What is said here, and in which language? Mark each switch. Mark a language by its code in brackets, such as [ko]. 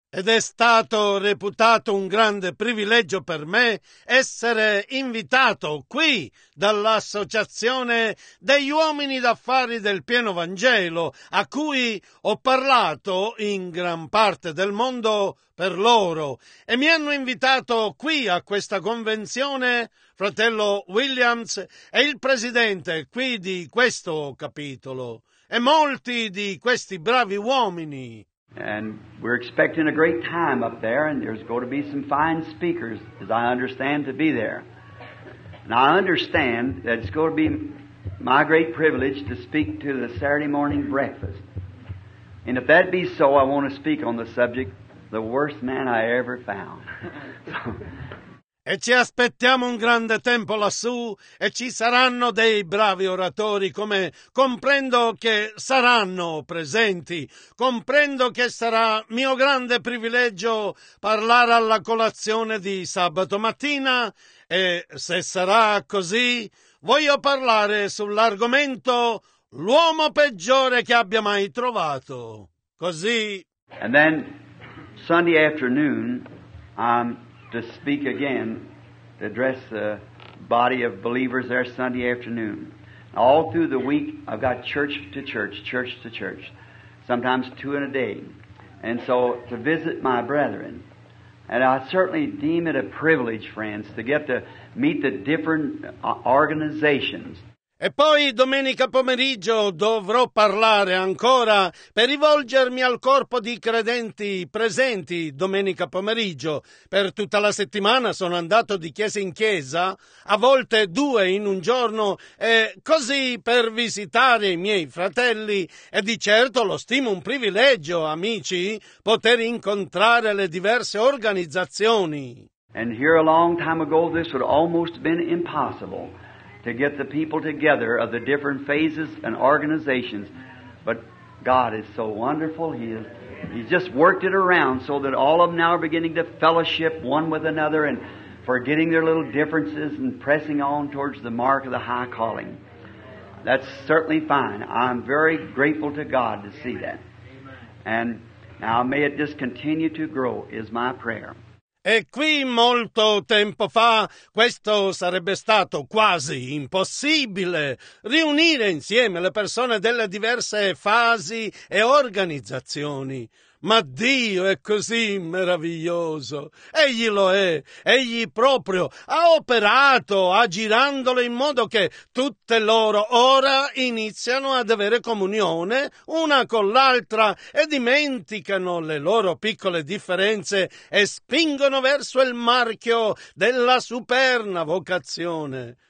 [it] Ed è stato reputato un grande privilegio per me essere invitato qui dall'Associazione degli Uomini d'Affari del Pieno Vangelo, a cui ho parlato in gran parte del mondo per loro. E mi hanno invitato qui a questa convenzione, fratello Williams, e il presidente qui di questo capitolo, e molti di questi bravi uomini. [en] And we're expecting a great time up there, and there's going to be some fine speakers, as I understand, to be there. And I understand that it's going to be my great privilege to speak to the Saturday morning breakfast. And if that be so, I want to speak on the subject, the worst man I ever found. [it] E ci aspettiamo un grande tempo lassù e ci saranno dei bravi oratori, come comprendo che saranno presenti. Comprendo che sarà mio grande privilegio parlare alla colazione di sabato mattina E se sarà così, voglio parlare sull'argomento l'uomo peggiore che abbia mai trovato. Così. [en] And then Sunday afternoon I'm to speak again, to address the body of believers there Sunday afternoon. All through the week I've got church to church, church to church, sometimes two in a day. And so to visit my brethren, and I certainly deem it a privilege, friends, to get to meet the different organizations. [it] E poi domenica pomeriggio dovrò parlare ancora per rivolgermi al corpo di credenti presenti domenica pomeriggio. Per tutta la settimana sono andato di chiesa in chiesa, a volte due in un giorno, così per visitare i miei fratelli. E di certo lo stimo un privilegio, amici, poter incontrare le diverse organizzazioni. [en] And here a long time ago this would almost have been impossible. To get the people together of the different phases and organizations. But God is so wonderful. He's just worked it around so that all of them now are beginning to fellowship one with another and forgetting their little differences and pressing on towards the mark of the high calling. That's certainly fine. I'm very grateful to God to see that. And now may it just continue to grow is my prayer. [it] E qui molto tempo fa questo sarebbe stato quasi impossibile, riunire insieme le persone delle diverse fasi e organizzazioni. Ma Dio è così meraviglioso, Egli lo è, Egli proprio ha operato aggirandole in modo che tutte loro ora iniziano ad avere comunione una con l'altra e dimenticano le loro piccole differenze e spingono verso il marchio della superna vocazione.